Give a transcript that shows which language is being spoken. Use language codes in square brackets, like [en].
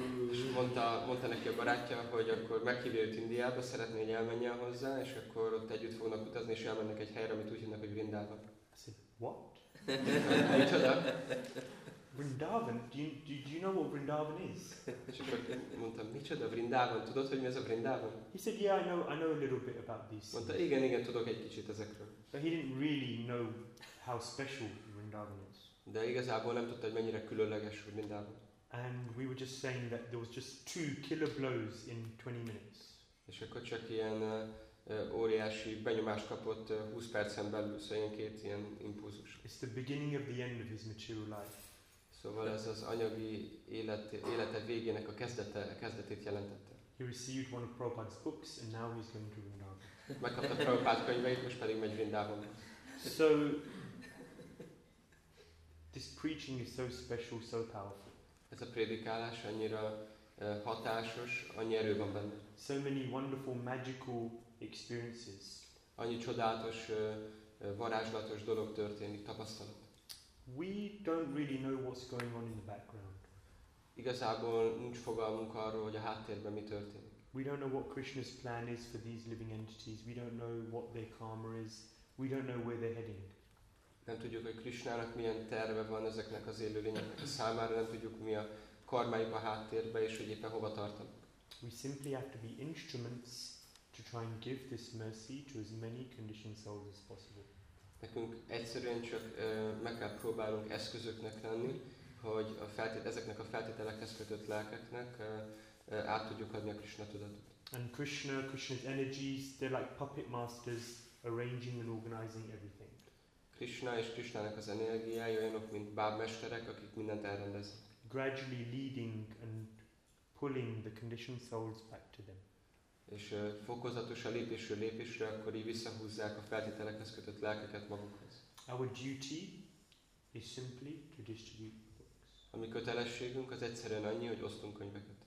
[hu] És mondta neki a barátja, hogy akkor meghívja őt Indiába, szeretné, hogy elmenjen hozzá, és akkor ott együtt fognak utazni, és elmennek egy helyre, amit úgy hívnak, hogy Vrindavan. [en] I said, what? [hu] Micsoda? [en] Vrindavan? Do you know what Vrindavan is? [hu] És akkor mondtam, micsoda Vrindavan? Tudod, hogy mi ez a Vrindavan? [en] He said, yeah, I know a little bit about these. [hu] Mondta, igen, tudok egy kicsit ezekről. [en] But he didn't really know how special Vrindavan is. [hu] De igazából nem tudta, hogy mennyire különleges Vrindavan. [en] And we were just saying that there was just 2 killer blows in 20 minutes. [hu] És akkor csak ilyen óriási benyomást kapott 20 percen belül, szóval ilyen két ilyen impulzus. [en] It's the beginning of the end of his material life. [hu] Szóval ez az anyagi élete végének a kezdetét jelentette. [en] He received one of Prabhupada's books and now he's going to Vrindavan. [hu] Megkapta Prabhupada könyveit, most pedig megy Vrindavan. [en] So this preaching is so special, so powerful. [hu] Ez a prédikálás annyira hatásos, annyi erő van benne. [en] So many wonderful magical experiences. [hu] Annyi csodálatos varázslatos dolog történik, tapasztalat. [en] We don't really know what's going on in the background. [hu] Igazából nincs fogalmunk arról, hogy a háttérben mi történik. [en] We don't know what Krishna's plan is for these living entities. We don't know what their karma is. We don't know where they're heading. [hu] Nem tudjuk, hogy Krishnának milyen terve van ezeknek az élőlényeknek a számára. Nem tudjuk, mi a karmájuk a háttérben, és hogy éppen hova tartanak. [en] We simply have to be instruments to try and give this mercy to as many conditioned souls as possible. [hu] Nekünk egyszerűen csak meg kell próbálunk eszközöknek lenni, hogy ezeknek a feltételekhez kötött lelkeknek át tudjuk adni a Krishna tudatot. [en] And Krishna's energies, they're like puppet masters arranging and organizing everything. [hu] Krishna és Krishnának az energiája olyanok, mint bábmesterek, akik mindent elrendeznek. [en] Gradually leading and pulling the conditioned souls back to them. [hu] És fokozatosan lépésről lépésre akkor így visszahúzzák a feltételekhez kötött lelkeket magukhoz. [en] Our duty is simply to distribute books. [hu] A mi kötelességünk az egyszerűen annyi, hogy osztunk könyveket.